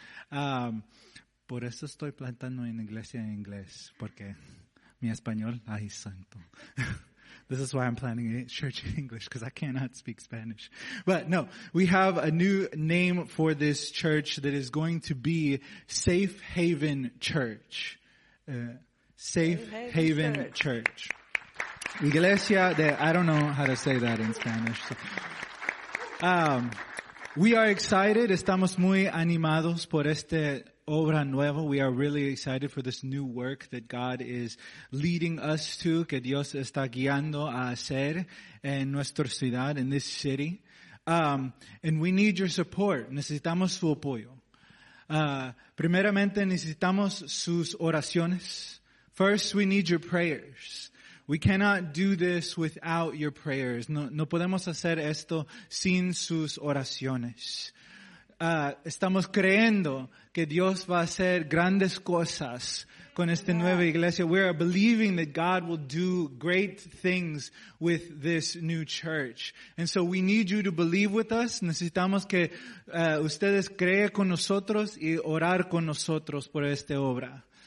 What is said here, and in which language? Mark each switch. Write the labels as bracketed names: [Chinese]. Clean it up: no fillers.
[Spanish] Por eso estoy plantando en iglesia en inglés, porque mi español, ay santo. [English] This is why I'm planning a church in English, because I cannot speak Spanish. But no, we have a new name for this church that is going to be Safe Haven Church. Safe Haven Church. [Spanish] Iglesia de, [English] I don't know how to say that in Spanish. So. We are excited. [Spanish] Estamos muy animados por este obra nueva. [English] We are really excited for this new work that God is leading us to, [Spanish] que Dios está guiando a hacer en nuestra ciudad, [English] in this city. And we need your support. [Spanish] Necesitamos su apoyo. Primeramente necesitamos sus oraciones. [English] First, we need your prayers. We cannot do this without your prayers. [Spanish] No podemos hacer esto sin sus oraciones. Estamos creyendo que Dios va a hacer grandes cosas con esta nueva iglesia. [English] We are believing that God will do great things with this new church. And so we need you to believe with us. [Spanish] Necesitamos que ustedes creen con nosotros y orar con nosotros por esta obra.